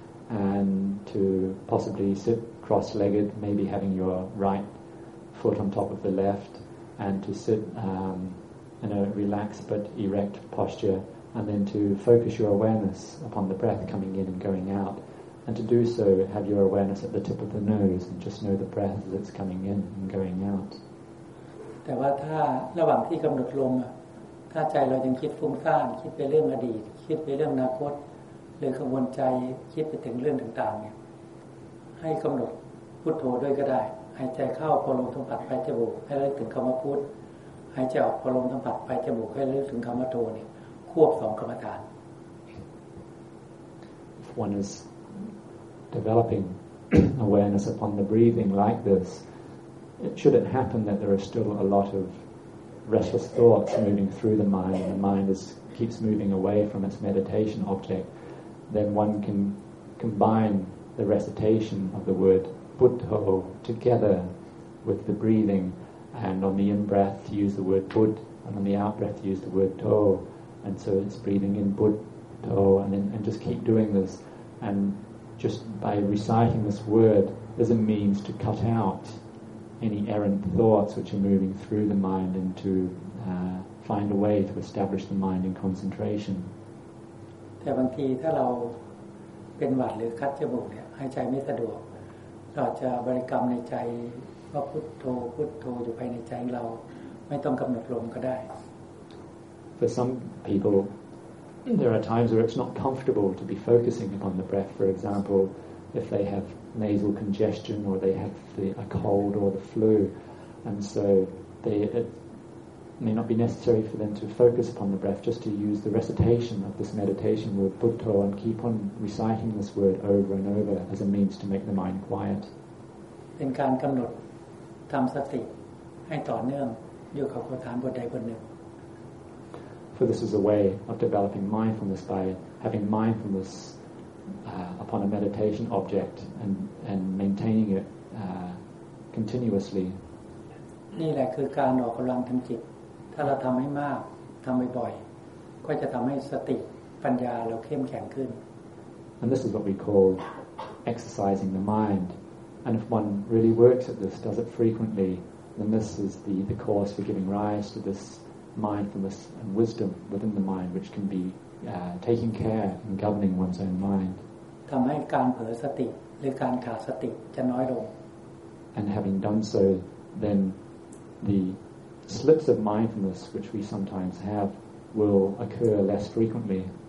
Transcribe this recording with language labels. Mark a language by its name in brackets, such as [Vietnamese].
[English] And to possibly sit cross-legged, maybe having your right foot on top of the left, and to sit in a relaxed but erect posture, and then to focus your awareness upon the breath coming in and going out, And to do so, have your awareness at the tip of the nose and just know the breath that's coming in and going out. [Thai] แต่ว่าถ้าระหว่างที่กำหนดลมถ้าใจเรายังคิดฟุ้งซ่านคิดไปเรื่องอดีตคิดไปเรื่องอนาคตหรือกังวลใจคิดไปถึงเรื่องต่างๆเนี่ยให้กำหนดพุทโธด้วยก็ได้หายใจเข้าพอลมสัมผัสไปจมูกให้ระลึกถึงคำว่าพุทหายใจออกพอลมสัมผัสไปจมูกให้ระลึกถึงคำว่าโธเนี่ยควบสองกรรมฐาน [English] one is developing awareness upon the breathing like this it shouldn't happen that there are still a lot ofrestless thoughts moving through the mind and the mind is, keeps moving away from its meditation object then one can combine the recitation of the word buddho together with the breathing and on the in-breath use the word bud and on the out-breath use the word to and so it's breathing in buddho and just keep doing this and just by reciting this word there's a means to cut outany errant thoughts which are moving through the mind and to find a way to establish the mind in concentration [Thai] แต่บางทีถ้าเราเป็นหวัดหรือคัดจมูกเนี่ยหายใจไม่สะดวกเราจะบริกรรมในใจว่าพุทโธพุทโธอยู่ภายในใจของเราไม่ต้องกำหนดลมก็ได้ [English] For some people there are times where it's not comfortable to be focusing upon the breath for example if they havenasal congestion or they have a cold or the flu and so it may not be necessary for them to focus upon the breath just to use the recitation of this meditation word Buddho and keep on reciting this word over and over as a means to make the mind quiet [Thai] เป็นการกำหนดทำสติให้ต่อเนื่องอยู่กับกรรมฐานบทใดบทหนึ่ง [English] For this is a way of developing mindfulness by having mindfulnessupon a meditation object and maintaining it continuously [Thai] นี่แหละคือการออกกำลังทางจิตถ้าเราทำให้มากทำบ่อยๆก็จะทำให้สติปัญญาเราเข้มแข็งขึ้น [English] And this is what we call exercising the mind and if one really works at this does it frequently then this is the cause for giving rise to this mindfulness and wisdom within the mind which can beTaking care and governing one's own mind. [Thai] ทำให้การเผลอสติหรือการขาดสติจะน้อยลง [English] And having done so, then the slips of mindfulness which we sometimes have will occur less frequently.